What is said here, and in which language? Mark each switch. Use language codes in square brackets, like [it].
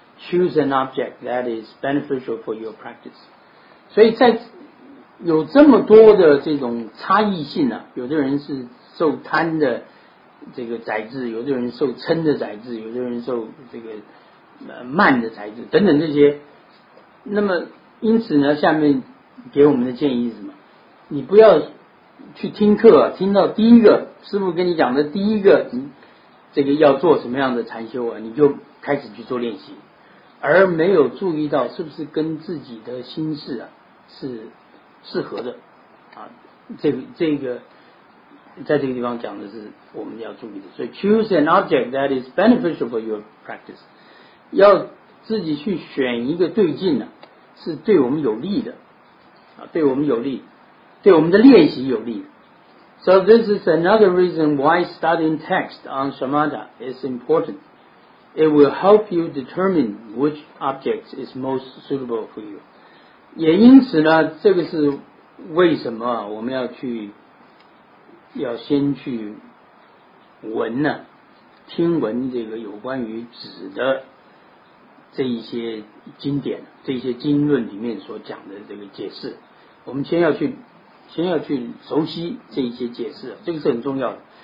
[en] Choose an object that is beneficial for your practice. [zh] 所以在有这么多的这种差异性呢、啊，有的人是受贪的这个宰制，有的人受嗔的宰制，有的人受这个慢的宰制等等这些。那么因此呢，下面给我们的建议是什么？你不要去听课，听到第一个师父跟你讲的第一个，这个要做什么样的禅修啊，你就开始去做练习，而没有注意到是不是跟自己的心事啊是适合的，啊，这个在这个地方讲的是我们要注意的。所以 choose an object that is beneficial for your practice，要自己去选一个对境呢、啊，是对我们有利的，啊，对我们有利。对我们的练习有利。 [en] So this is another reason why studying text on Shamatha is important. It will help you determine which object is most suitable for you. [zh] 也因此呢，这个是为什么我们要先去闻呢，听闻这个有关于止的这一些经典，这些经论里面所讲的这个解释，我们先要去熟悉这些解释，这个是很重要的。